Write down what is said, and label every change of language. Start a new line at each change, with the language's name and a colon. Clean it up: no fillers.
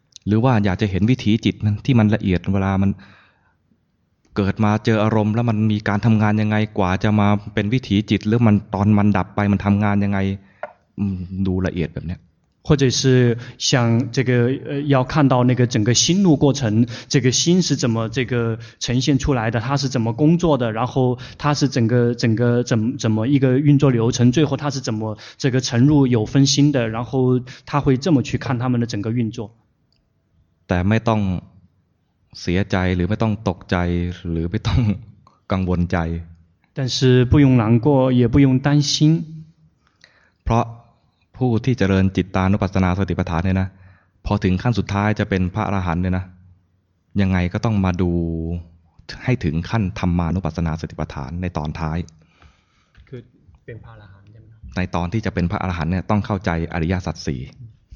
Thai: หรือว่าอยากจะเห็นวิถีจิตที่มันละเอียดเวลามันเกิดมาเจออารมณ์แล้วมันมีการทำงานยังไงกว่าจะมาเป็นวิถีจิตหรือมันตอนมันดับไปมันทำงานยังไงดูละเอียดแบบเนี้ย
Chinese: 或者是想这个要看到那个整个心路过程这个心是怎么这个呈现出来的它是怎么工作的然后它是整个怎么一个运作流程最后它是怎么这个沉入有分心的然后它会这么去看他们的整个运作
Thai: แต่ไม่ต้องเสียใจหรือไม่ต้องตกใจหรือไม่ต้องกังวลใจ
Chinese: 但是不用难过也不用担心
Thai: เพราะผู้ที่เจริญจิตตานุปัสสนาสติปัฏฐานเนี่ยนะพอถึงขั้นสุดท้ายจะเป็นพระอรหันต์เนี่ยนะยังไงก็ต้องมาดูให้ถึงขั้นธรรมานุปัสสนาสติปัฏฐานในตอนท้าย คือเป็นพระอรหันต์ใช่มั้ยในตอนที่จะเป็นพระอรหันต์เนี่ยต้องเข้าใจอริยสัจ4